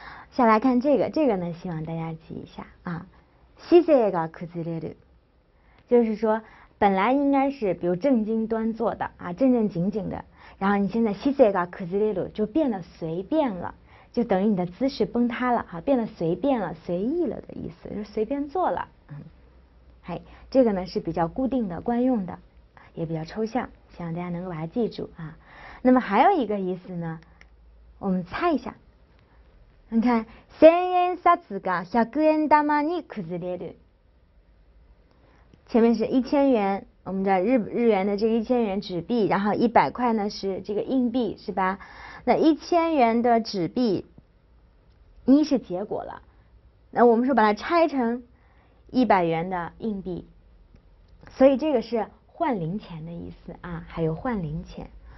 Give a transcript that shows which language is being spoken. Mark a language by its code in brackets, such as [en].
[zh] 下来看这个呢，希望大家记一下啊。 [ja] 姿勢が崩れる， [zh] 就是说本来应该是比如正襟端坐的啊，正正经经的，然后你现在姿勢が崩れる就变得随便了，就等于你的姿势崩塌了哈，变得随便了、随意了的意思，就是随便坐了。嗨，这个呢是比较固定的、惯用的，也比较抽象，希望大家能够把它记住啊。那么还有一个意思呢，我们猜一下。 [ja] 你看，千円札が100円玉に崩れる。 [zh] 前面是1000元，我们知道日元的这个1000元纸币，然后100块呢是这个硬币，是吧？那1000元的纸币，一是结果了，那我们说把它拆成100元的硬币，所以这个是换零钱的意思啊，还有换零钱。